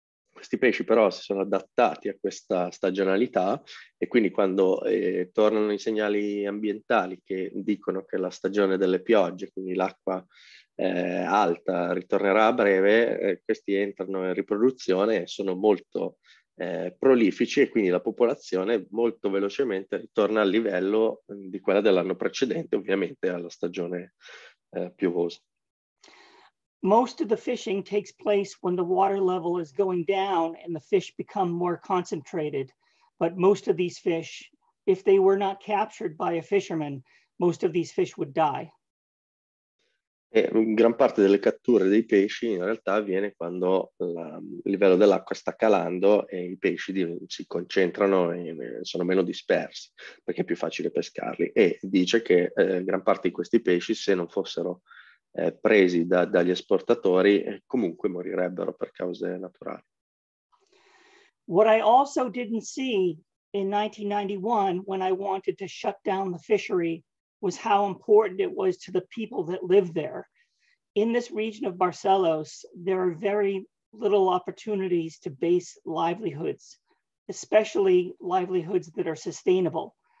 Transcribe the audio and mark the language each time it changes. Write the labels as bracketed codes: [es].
[it] Questi pesci però si sono adattati a questa stagionalità e quindi quando tornano i segnali ambientali che dicono che la stagione delle piogge, quindi l'acqua alta, ritornerà a breve, questi entrano in riproduzione e sono molto prolifici e quindi la popolazione molto velocemente ritorna al livello di quella dell'anno precedente, ovviamente alla stagione piovosa. [en] Most of the fishing takes place when the water level is going down and the fish become more concentrated. But most of these fish, if they were not captured by a fisherman, most of these fish would die. [it] E gran parte delle catture dei pesci in realtà avviene quando il livello dell'acqua sta calando e i pesci si concentrano e sono meno dispersi, perché è più facile pescarli. E dice che gran parte di questi pesci, se non fossero presi dagli esportatori, comunque morirebbero per cause naturali. [en] What I also didn't see in 1991 when I wanted to shut down the fishery was how important it was to the people that live there. In this region of Barcelos, there are very little opportunities to base livelihoods, especially livelihoods that are sustainable.